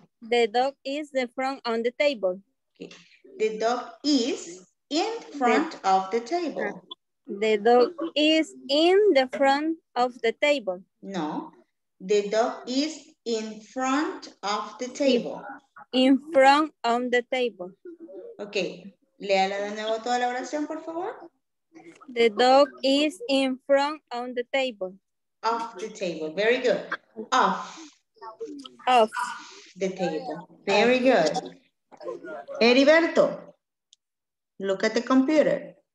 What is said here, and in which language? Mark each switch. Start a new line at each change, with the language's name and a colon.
English: The dog is the front on the table. Okay. The dog is in front of the table. The dog is in the front of the table. No. The dog is in front of the table. In front of the table.
Spanish: Okay, léala de nuevo toda la oración, por favor.
English: The dog is in front on the table. Off the table, very good. Off. Off the table, very good. Heriberto, look at the computer.